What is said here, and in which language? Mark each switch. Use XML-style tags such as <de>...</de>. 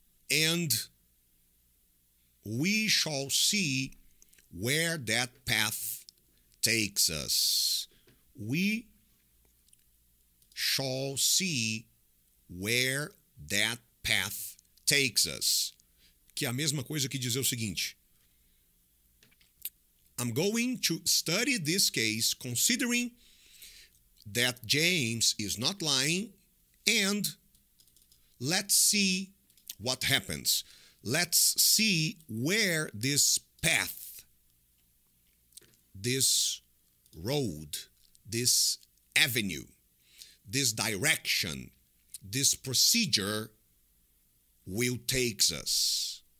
<en>And we shall see where that path takes us. We shall see where that path takes us.</en> <pt>Que é a mesma coisa que dizer o seguinte.</pt> <en>I'm going to study this case considering that James is not lying and let's see what happens. Let's see where this path, this road, this avenue, this direction, this procedure will take us.</en>